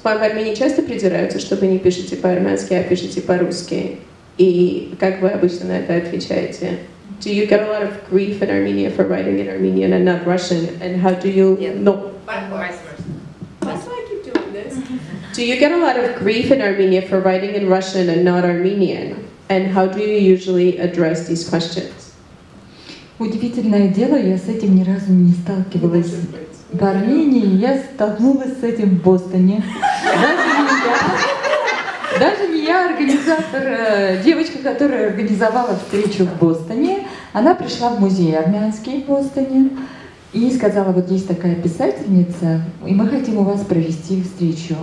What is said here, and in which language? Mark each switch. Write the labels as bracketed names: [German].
[Russian] К вам в Армении часто придираются, что вы не пишете по-армянски, а пишете по-русски? И как вы обычно на это отвечаете? [English] Do you get a lot of grief in Armenia for writing in Armenian and not Russian? And how do you... Yeah. No. That's why I keep doing this. Do you get a lot of grief in Armenia for writing in Russian and not Armenian? And how do you usually address these questions? [Russian] Удивительное дело, я с этим ни разу не сталкивалась. В Армении я столкнулась с этим в Бостоне. Даже не я, организатор, девочка, которая организовала встречу в Бостоне, она пришла в музей армянский в Бостоне и сказала, вот есть такая писательница, и мы хотим у вас провести встречу.